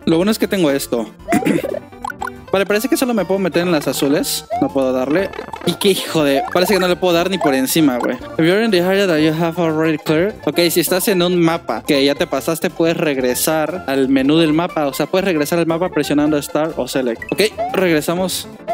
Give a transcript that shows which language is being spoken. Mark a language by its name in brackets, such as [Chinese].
[Spanish] Lo bueno es que tengo esto. Vale, parece que solo me puedo meter en las azules. No puedo darle. Y qué hijo de... Parece que no le puedo dar ni por encima, güey. [English] If you're in the area that you have already cleared. [Spanish] Ok, si estás en un mapa que ya te pasaste, puedes regresar al menú del mapa. O sea, puedes regresar al mapa presionando Start o Select. Ok, regresamos.